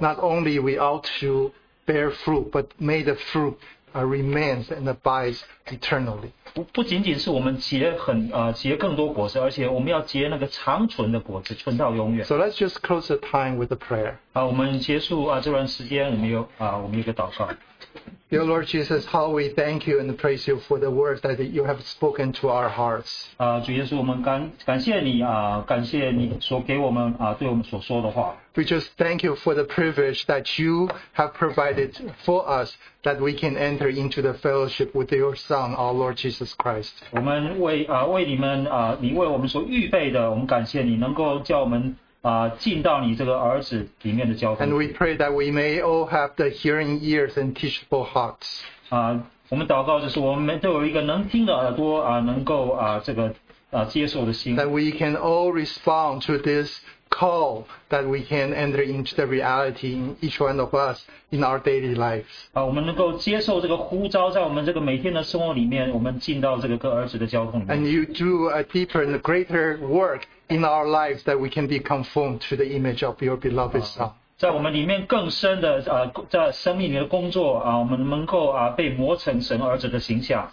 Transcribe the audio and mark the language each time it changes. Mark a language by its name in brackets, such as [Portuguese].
[English] Not only we ought to bear fruit, but may the fruit remains and abides eternally. [Chinese] 不仅仅是我们结更多果实, 而且我们要结那个长存的果子, 存到永远。 [English] So let's just close the time with a prayer. [Chinese] 我们结束这段时间, 我们有一个祷告。 [English] Dear Lord Jesus, how we thank you and praise you for the words that you have spoken to our hearts. [Chinese] 主耶稣我们感谢你, 感谢你所给我们, 对我们所说的话。 [English] We just thank you for the privilege that you have provided for us that we can enter into the fellowship with your Son, our Lord Jesus Christ. [Chinese] 我们为, 为你们, 你为我们所预备的, 我们感谢你, 能够叫我们, 进到你这个儿子里面的交通。 [English] And we pray that we may all have the hearing ears and teachable hearts. [Chinese] 我们祷告就是我们都有一个能听的耳朵, 能够, 这个, 接受的心。 [English] That we can all respond to this call that we can enter into the reality in each one of us in our daily lives. [Chinese] 我们能够接受这个呼召在我们这个每天的生活里面, 我们进到这个跟儿子的交通里面。 [English] And you do a deeper and greater work in our lives that we can be conformed to the image of your beloved Son. [Chinese] 在我们里面更深的, 在生命里的工作, 我们能够, 被磨成神儿子的形象。